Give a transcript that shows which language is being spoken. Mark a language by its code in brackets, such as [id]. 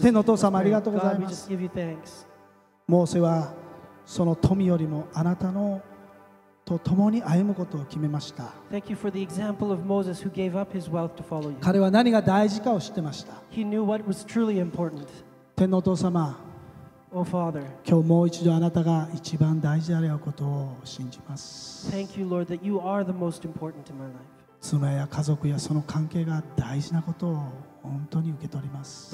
[ja] 天のお父様、ありがとうございます。モーセはその富よりもあなたのと共に歩むことを決めました。彼は何が大事かを知ってました。天のお父様、 [en] Oh, Father. [ja] 今日もう一度あなたが一番大事であることを信じます。 [en] Thank you, Lord, that you are the most important in my life. [ja] 妻や家族やその関係が大事なことを本当に受け取ります。